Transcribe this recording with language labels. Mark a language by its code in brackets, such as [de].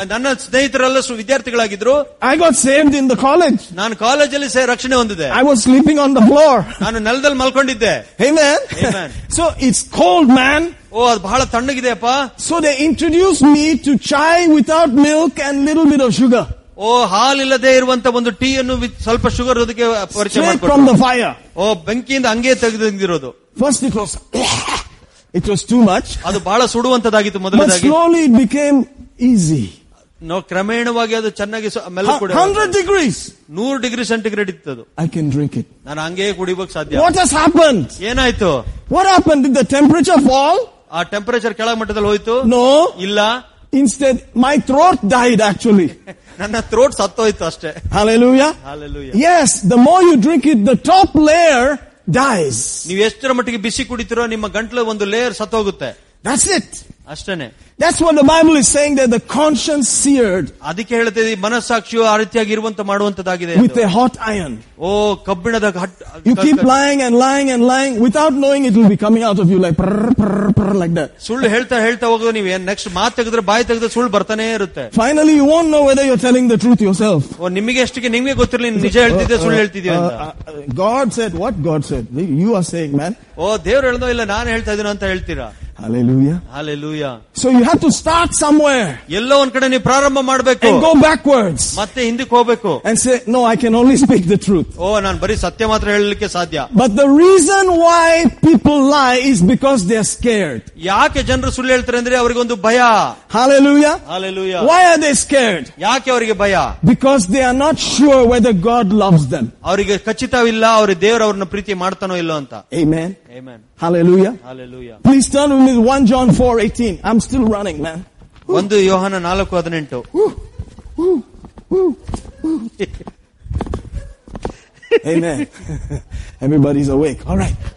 [kn] ನನ್ನ ಸ್ನೇಹಿತರೆಲ್ಲ ವಿದ್ಯಾರ್ಥಿಗಳಾಗಿದ್ರು. [en] I got saved in the college. [kn] ನಾನು ಕಾಲೇಜ್ ಅಲ್ಲಿ ರಕ್ಷಣೆ ಹೊಂದಿದೆ. [en] I was sleeping on the floor. [kn] ನಾನು ನೆಲದಲ್ಲಿ ಮಲ್ಕೊಂಡಿದ್ದೆ. [en] Amen. So it's cold, man. [kn] ಓ ಅದು ಬಹಳ ತಣ್ಣಗಿದೆ ಅಪ್ಪ. [en] So they introduced me to chai without milk and little bit of sugar. [kn] ಓ ಹಾಲಿಲ್ಲದೆ ಇರುವಂತ ಒಂದು ಟೀ ಅನ್ನು ಸ್ವಲ್ಪ ಶುಗರ್ ಅದಕ್ಕೆ ಪರಿಚಯ ಮಾಡ್ಕೊಂಡೆ. [en] From the fire. [kn] ಓ ಬೆಂಕಿಯಿಂದ ಹಂಗೆ ತೆಗೆದಿರೋದು. [en] First it was it was too much. [kn] ಅದು ಬಹಳ ಸುಡುವಂತದಾಗಿತ್ತು ಮೊದಲಾಗಿ. [en] Slowly it became easy. [kn] ನಾವು ಕ್ರಮೇಣವಾಗಿ ಅದು ಚೆನ್ನಾಗಿ ಮೆಲ್ಲ ಕುಡಿ. [en] 100 degrees. 100 degrees centigrade [kn] ಇತ್ತು ಅದು. [en] I can drink it. [kn] ನಾನು ಹಂಗೆ ಕುಡಿಬೇಕು ಸಾಧ್ಯ. [en] What has happen? [kn] ಏನಾಯ್ತು? [en] What happen? Did the temperature fall? [kn] ಆ ಟೆಂಪರೇಚರ್ ಕೆಳ ಮಟ್ಟದಲ್ಲಿ ಹೋಯ್ತು? [en] no, [kn] ಇಲ್ಲ. [en] Instead my throat died actually. [kn] ನನ್ನ ಥ್ರೋಟ್ ಸತ್ತೋಯ್ತು ಅಷ್ಟೇ. Hallelujah, hallelujah. [en] Yes, the more you drink it the top layer dies. [kn] ನೀವು ಎಷ್ಟರ ಮಟ್ಟಿಗೆ ಬಿಸಿ ಕುಡಿತಿರೋ ನಿಮ್ಮ ಗಂಟಲು ಒಂದು ಲೇಯರ್ ಸತ್ತೋಗುತ್ತೆ. [en] That's it. [kn] ಅಷ್ಟೇನೆ. [en] That's what the Bible is saying, that the conscience seared. [kn] ಅದಕ್ಕೆ ಹೇಳುತ್ತೆ ಈ ಮನಸ್ಸಾಕ್ಷಿಯು ಆ ರೀತಿಯಾಗಿ ಇರುವಂತ ಮಾಡುವಂತದಾಗಿದೆ. [en] With a hot iron. [kn] ಓ ಕಬ್ಬಿಣದ ಹಟ್. [en] You keep lying and lying and lying without knowing it will be coming out of you like prr like that. [kn] ಸುಳ್ಳು ಹೇಳ್ತಾ ಹೇಳ್ತಾ ಹೋಗೋದು ನೀವು, ನೆಕ್ಸ್ಟ್ ಮಾತು ತೆಗೆದ್ರೆ ಬಾಯಿ ತೆಗೆದ್ರೆ ಸುಳ್ಳು ಬರ್ತಾನೆ ಇರುತ್ತೆ. [en] Finally you won't know whether you're telling the truth yourself. [kn] ಓ ನಿಮಗೆಷ್ಟಕ್ಕೆ ನಿಮಗೆ ಗೊತ್ತಿರಲಿಲ್ಲ ನಿಜ ಹೇಳ್ತಿದ್ದೆ ಸುಳ್ಳು ಹೇಳ್ತಿದ್ದೀವಿ ಅಂತ. [en] God said, what God said? You are saying, man. [kn] ಓ ದೇವ್ರು ಹೇಳ್ದೋ ಇಲ್ಲ ನಾನು ಹೇಳ್ತಾ ಇದ್ದೀನಿ ಅಂತ ಹೇಳ್ತೀರಾ. Hallelujah. Hallelujah. [en] So you have to start somewhere. [kn] ಎಲ್ಲ ಒಂದ್ ಕಡೆ ನೀವು ಪ್ರಾರಂಭ ಮಾಡಬೇಕು. [en] Go backwards. [kn] ಮತ್ತೆ ಹಿಂದಕ್ಕೆ ಹೋಗಬೇಕು. [en] And say, no, I can only speak the truth. [kn] ಓ ನಾನು ಬರೀ ಸತ್ಯ ಮಾತ್ರ ಹೇಳಲಿಕ್ಕೆ ಸಾಧ್ಯ. [en] But the reason why people lie is because they are scared. [kn] ಯಾಕೆ ಜನರು ಸುಳ್ಳು ಹೇಳ್ತಾರೆ ಅಂದ್ರೆ ಅವರಿಗೆ ಒಂದು ಭಯ. Hallelujah. Hallelujah. [en] Why are they scared? [kn] ಯಾಕೆ ಅವರಿಗೆ ಭಯ? [en] Because they are not sure whether God loves them. [kn] ಅವರಿಗೆ ಖಚಿತವಿಲ್ಲ ಅವರು ದೇವರು ಅವ್ರನ್ನ ಪ್ರೀತಿ ಮಾಡ್ತಾನೋ ಇಲ್ಲೋ ಅಂತ. Amen. Amen. Hallelujah. Hallelujah. [en] Please turn with me to 1 John 4:18. I'm still running, man. [kn] 1 ಯೋಹಾನ 4:18. [en] Amen. Everybody's awake. All right.